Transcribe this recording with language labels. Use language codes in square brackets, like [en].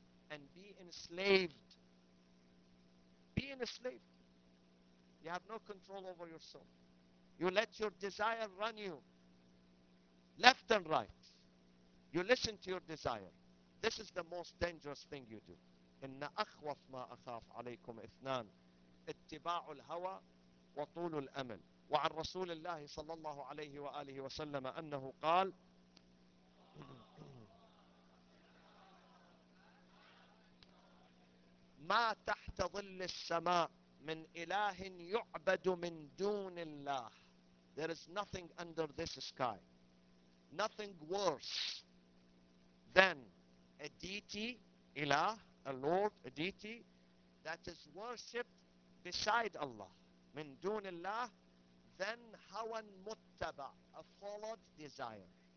[en] And be enslaved. Be enslaved. You have no control over yourself. You let your desire run you. Left and right. You listen to your desire. This is the most dangerous thing you do. [ar] إن أخوف ما أخاف عليكم إثنان اتباع الهوى وطول الأمل. وعن رسول الله صلى الله عليه وآله وسلم أنه قال ما تحت ظل السماء من إله يعبد من دون الله. [en] There is nothing under this sky, nothing worse than a deity, إله, a Lord, a deity that is worshipped beside Allah, [ar] من دون الله, [en] than [ar] هوى متبع, [en] a followed desire.